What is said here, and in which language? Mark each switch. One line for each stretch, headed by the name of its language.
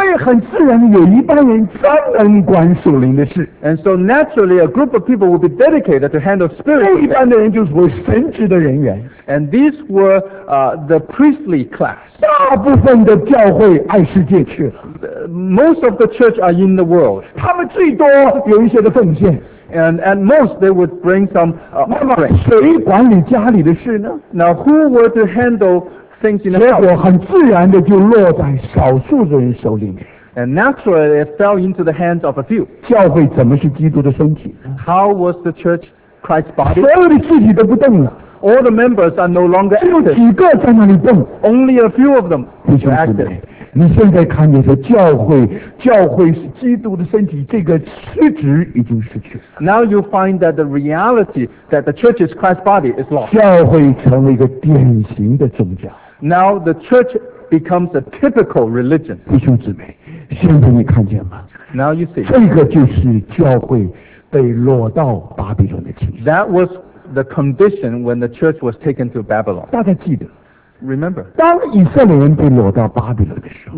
Chinese: 所以很自然有一帮人专门管属灵的事。
English: And so naturally, a group of people would be dedicated to handle spiritual things.
Chinese: 那一般的人就是为神职的人员。
English: And these were the priestly class.
Chinese: 大部分的教会爱世界去了。
English: Most of the church are in the world.
Chinese: 他们最多有一些的奉献。
English: And at most, they would bring some offering.
Chinese: 谁管理家里的事呢
English: ？Now, who were to handle?
Chinese: 结果很自然的就落在少数的人手里面。
English: And naturally it fell into the hands of a few.
Chinese: 教会怎么是基督的身体
English: ？How was the church Christ's body?
Chinese: 所有的肢体都不动了。
English: All the members are no longer active.
Chinese: 只有几个在那里动。
English: Only a few of them.
Chinese: 弟兄姊妹，你现在看见说教会是基督的身体，这个实质已经失去了。
English: Now you find that the reality that the church is Christ's body is lost.
Chinese: 教会成为一个典型的宗教。
English: Now the church becomes a typical religion.
Chinese: 弟兄姊妹，现在你看见吗
English: ？Now you see.
Chinese: 这个就是教会被掳到巴比伦的情形。
English: That was the condition when the church was taken to Babylon.
Chinese: 大家记得
English: ，Remember.
Chinese: 当以色列人被掳到巴比伦的时候